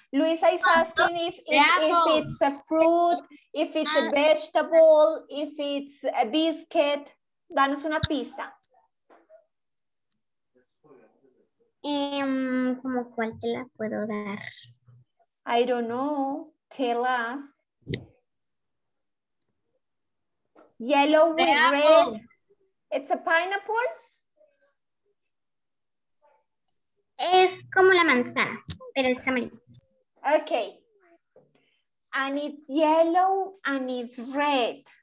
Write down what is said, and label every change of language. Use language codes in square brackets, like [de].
[en] Luisa is asking if it's a fruit, if it's a vegetable, if it's a biscuit. [es] Danos una pista. ¿Cómo cuál te la puedo dar? [en] I don't know. Tell us. Yellow with red. Apple. It's a pineapple. [es] Es como la manzana, pero es amarillo. [en] Okay. And it's yellow and it's red.